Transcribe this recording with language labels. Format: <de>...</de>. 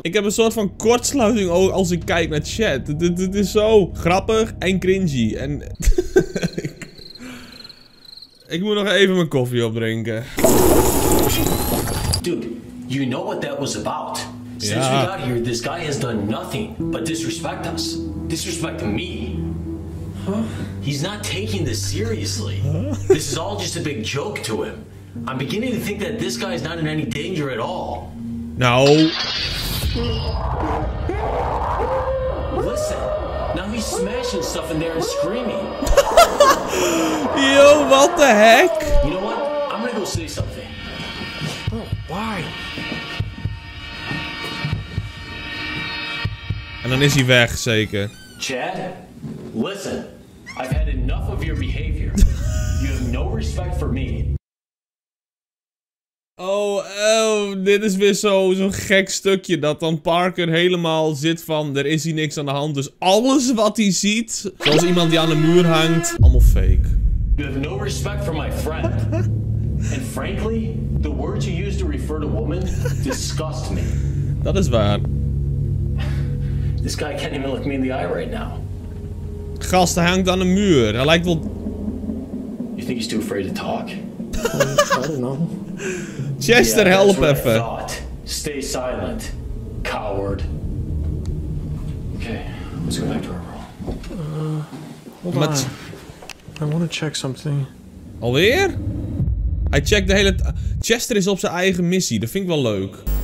<nl>Ik heb een soort van kortsluiting als ik kijk naar chat. Dit is zo grappig en cringy. En ik moet nog even mijn koffie opdrinken.</nl> <en>Dude, you know what that was about. Since yeah. We got here, this guy has done nothing but disrespect us. Disrespect me. Huh? He's not taking this seriously. Huh? This is all just a big joke to him. I'm beginning to think that this guy is not in any danger at all. No. Listen, now he's smashing stuff in there and screaming. Yo, what the heck? You know what? I'm gonna go say something. Bro, why?</en> <nl>And then is he weg, zeker.</nl> <en>Chad, listen. I've had enough of your behavior. You have no respect for me.</en> <nl>Oh, dit is weer zo'n gek stukje dat dan Parker helemaal zit van, er is hier niks aan de hand, dus alles wat hij ziet, zoals iemand die aan de muur hangt, allemaal fake.</nl> <en>You have no respect for my friend. And frankly, the words you use to refer to women disgust me.</en> <nl>Dat is waar.</nl> <en>This guy can't even look me in the eye right now.</en> <nl>Gast, hij hangt aan de muur, hij lijkt wel...</nl> <en>You think he's too afraid to talk? I don't know. Chester, yeah,</en> <nl>help even.</nl> <en>Stay silent, coward. Okay, let's go back to our room. Hold on. I want to check something.</en> <nl>Alweer? Hij checkt de hele... Chester is op zijn eigen missie, dat vind ik wel leuk.</nl>